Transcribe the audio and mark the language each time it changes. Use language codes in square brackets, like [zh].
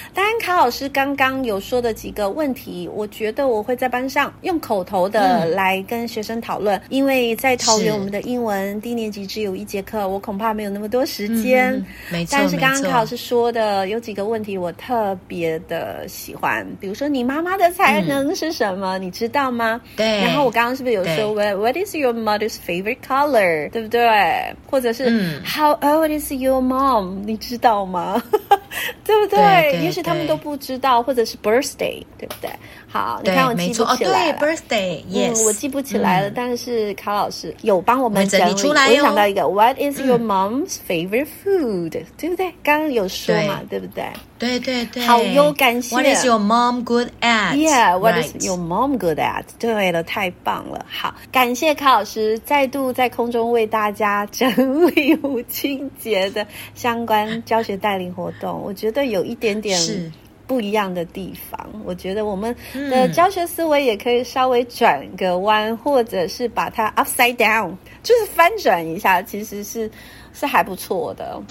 [zh] 当然凯老师刚刚有说的几个问题，我觉得我会在班上用口头的来跟学生讨论，因为在桃园我们的英文低年级只有一节课，我恐怕没有那么多时间。没错，但是刚刚凯老师说的有几个问题我特别的喜欢，比如说你妈妈的才能是什么，你知道吗？对，然后我刚刚是不是有说 [en] What is your mother's favorite color? [zh] 对不对？或者是 [en] How old is your mom? [zh] 你知道吗？对不对？也许他们都不知道，或者是 birthday, 对不对？好，对，你看我记不起来了。哦，对， birthday, yes, 我记不起来了，但是卡老师有帮我们整 理出来哦。我想到一个 [en] What is your mom's favorite food? [zh] 对不对？刚刚有说嘛， 对不对？对对对，好有感谢。 [en] What is your mom good at? Yeah, what is your mom good at? [zh] 对了，太棒了。好，感谢卡老师再度在空中为大家整理母亲节的相关教学带领活动。我觉得有一点点是不一样的地方。我觉得我们的教学思维也可以稍微转个弯，或者是把它 [en] upside down， [zh] 就是翻转一下，其实是还不错的。